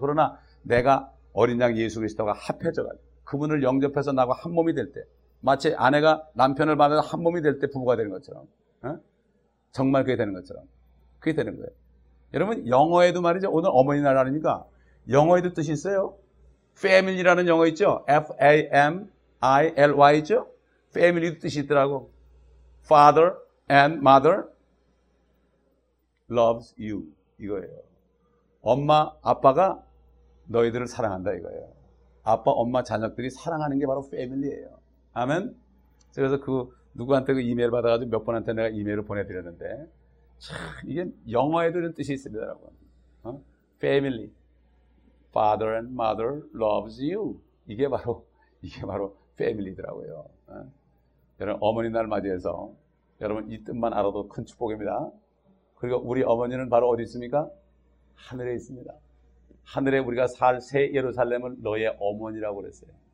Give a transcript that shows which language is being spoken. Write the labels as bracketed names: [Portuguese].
[Korean] 그러나 내가 어린 양 예수 그리스도가 합해져가지고 그분을 영접해서 나하고 한 몸이 될 때 마치 아내가 남편을 만나서 한 몸이 될 때 부부가 되는 것처럼. 정말 그게 되는 것처럼. 그게 되는 거예요. 여러분 영어에도 말이죠. 오늘 어머니 날 아니니까 영어에도 뜻이 있어요. Family라는 영어 있죠. F-A-M-I-L-Y 있죠. Family도 뜻이 있더라고. [English] Father and mother loves you. [Korean] 이거예요. 엄마, 아빠가 너희들을 사랑한다 이거예요. 아빠, 엄마, 자녀들이 사랑하는 게 바로 Family예요. 아멘. 그래서 그 누구한테 그 이메일 받아가지고 몇 분한테 내가 이메일을 보내드렸는데 참 이게 영어에도 이런 뜻이 있습니다, 여러분. [English] Family, father and mother loves you. [Korean] 이게 바로 family더라고요. 여러분 어머니 날 맞이해서 여러분 이 뜻만 알아도 큰 축복입니다. 그리고 우리 어머니는 바로 어디 있습니까? 하늘에 있습니다. 하늘에 우리가 살 새 예루살렘을 너의 어머니라고 그랬어요.